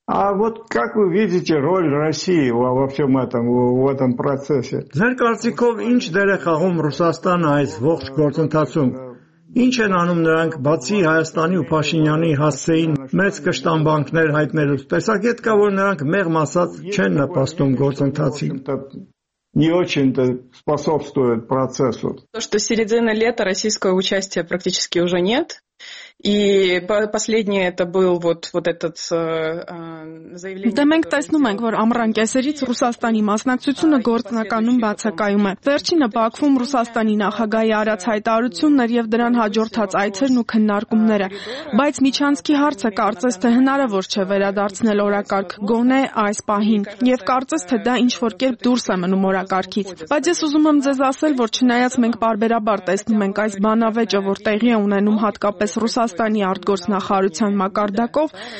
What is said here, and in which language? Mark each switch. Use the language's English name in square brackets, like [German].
[Russian] А вот как вы видите роль России во всем этом, в этом процессе? [Armenian] Ձեր կարծիքով ինչ դեր է խաղում Ռուսաստանը այս ողջ գործընթացում? Ինչ են անում նրանք, բացի Հայաստանի ու Փաշինյանի հասցեին մեծ կշտամբանքներ հայտնելուց, տեսակետ կա, որ նրանք մեղմ ասած չեն նպաստում գործընթացին։ [Russian] Не очень-то способствует процессу. То, что с середины лета российского участия практически уже нет. И последнее это был вот этот заявление. [Armenian] Դե մենք տեսնում ենք, որ ամռան կեսերից Ռուսաստանի մասնակցությունը գործնականում բացակայում է։ Վերջինը Բաքվում Ռուսաստանի նախագահի արած հայտարարություններ եւ դրան հաջորդած այցերն ու քննարկումները, բայց միջանցքի հարցը կարծես թե հնարավոր չէ վերադարձնել օրակարգ գոնե այս պահին, եւ կարծես թե դա ինչ-որ կերպ դուրս է մնում օրակարգից։ Բայց ես ուզում եմ ձեզ ասել, որ չնայած մենք բարբերաբար տեսնում ենք այս բանավեճը, որ տեղի է ունենում հատկապես Ռուսաստանի արտգործնախարարության մակարդակով,